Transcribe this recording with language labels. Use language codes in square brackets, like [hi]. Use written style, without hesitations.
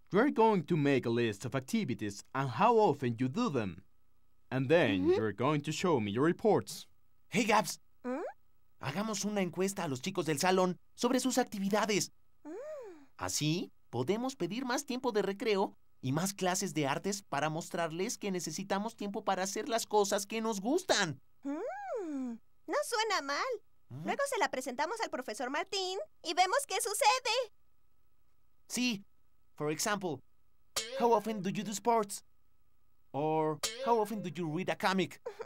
[en] You're going to make a list of activities and how often you do them. And then you're going to show me your reports. Hey, Gabs. [es] Hagamos una encuesta a los chicos del salón sobre sus actividades. Así podemos pedir más tiempo de recreo y más clases de artes para mostrarles que necesitamos tiempo para hacer las cosas que nos gustan. No suena mal. Luego se la presentamos al profesor Martín y vemos qué sucede. Sí. [en] For example, how often do you do sports? Or how often do you read a comic?